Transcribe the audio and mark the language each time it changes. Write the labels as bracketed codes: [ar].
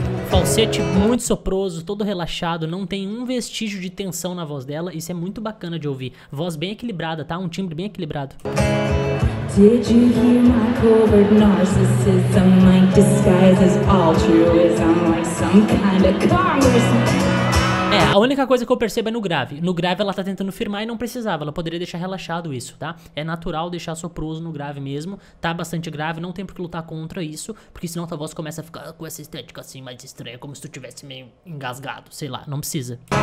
[pt] Falsete muito soproso, todo relaxado, não tem um vestígio de tensão na voz dela. Isso é muito bacana de ouvir. Voz bem equilibrada, tá? Um timbre bem equilibrado. [en] Did you hear my covert narcissism? My disguise is altruism, like some kind of congressman. [pt] A única coisa que eu percebo é no grave. No grave ela tá tentando firmar e não precisava. Ela poderia deixar relaxado isso, tá? É natural deixar soproso no grave mesmo. Tá bastante grave, não tem por que lutar contra isso. Porque senão tua voz começa a ficar com essa estética assim mais estranha. Como se tu tivesse meio engasgado, sei lá. Não precisa.